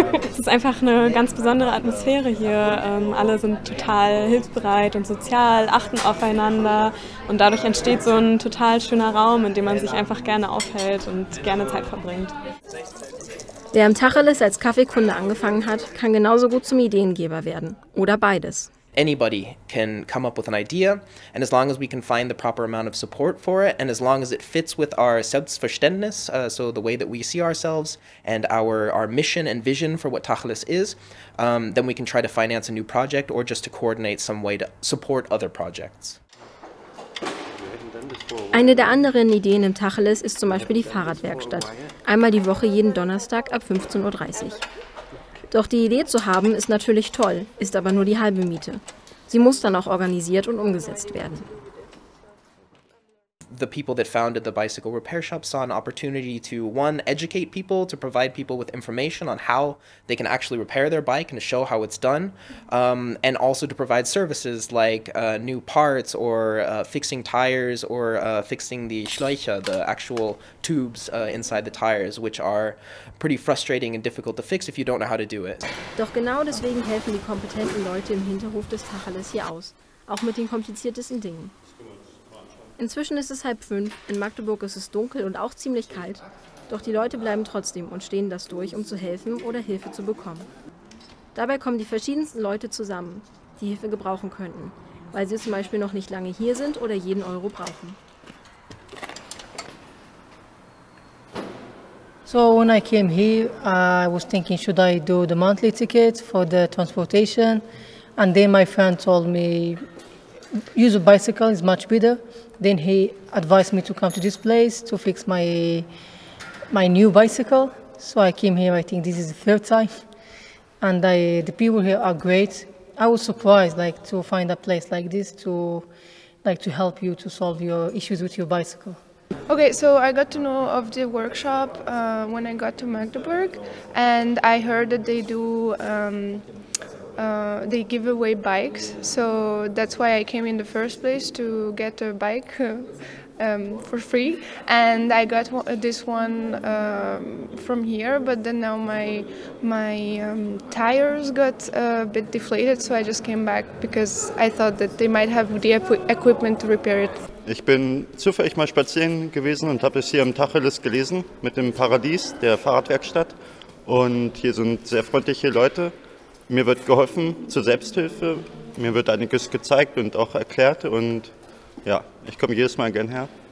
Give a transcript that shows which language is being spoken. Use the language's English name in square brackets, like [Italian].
[German] Es ist einfach eine ganz besondere Atmosphäre hier. Alle sind total hilfsbereit und sozial, achten aufeinander. Und dadurch entsteht so ein total schöner Raum, in dem man sich einfach gerne aufhält und gerne Zeit verbringt. Wer im Tacheles als Kaffeekunde angefangen hat, kann genauso gut zum Ideengeber werden. Oder beides. [English] Anybody can come up with an idea, and as long as we can find the proper amount of support for it, and as long as it fits with our Selbstverständnis, so the way that we see ourselves and our mission and vision for what Tacheles is, then we can try to finance a new project or just to coordinate some way to support other projects. [German] Eine der anderen Ideen im Tacheles ist zum Beispiel die Fahrradwerkstatt. Einmal die Woche jeden Donnerstag ab 15.30 Uhr. Doch die Idee zu haben, ist natürlich toll, ist aber nur die halbe Miete. Sie muss dann auch organisiert und umgesetzt werden. [English] The people that founded the bicycle repair shop saw an opportunity to, one, educate people, to provide people with information on how they can actually repair their bike and to show how it's done, and also to provide services like new parts or fixing tires or fixing the Schläuche, the actual tubes inside the tires, which are pretty frustrating and difficult to fix if you don't know how to do it. [German] Doch genau deswegen helfen die kompetenten Leute im Hinterhof des Tacheles hier aus, auch mit den kompliziertesten Dingen. Inzwischen ist es 16:30, in Magdeburg ist es dunkel und auch ziemlich kalt. Doch die Leute bleiben trotzdem und stehen das durch, um zu helfen oder Hilfe zu bekommen. Dabei kommen die verschiedensten Leute zusammen, die Hilfe gebrauchen könnten, weil sie zum Beispiel noch nicht lange hier sind oder jeden Euro brauchen. [English] So when I came here, I was thinking, should I do the monthly ticket for the transportation? And then my friend told me, use a bicycle is much better. Then he advised me to come to this place to fix my new bicycle. So I came here, I think this is the third time. And the people here are great. I was surprised like to find a place like this to help you to solve your issues with your bicycle. Okay, so I got to know of the workshop when I got to Magdeburg, and I heard that they do they give away bikes, so that's why I came in the first place, to get a bike for free. And I got this one from here, but then now my tires got a bit deflated, so I just came back because I thought that they might have the equipment to repair it. [German] Ich bin zufällig mal spazieren gewesen und habe es hier im Tacheles gelesen mit dem Paradies der Fahrradwerkstatt, und hier sind sehr freundliche Leute. Mir wird geholfen zur Selbsthilfe, mir wird einiges gezeigt und auch erklärt, und ja, ich komme jedes Mal gern her.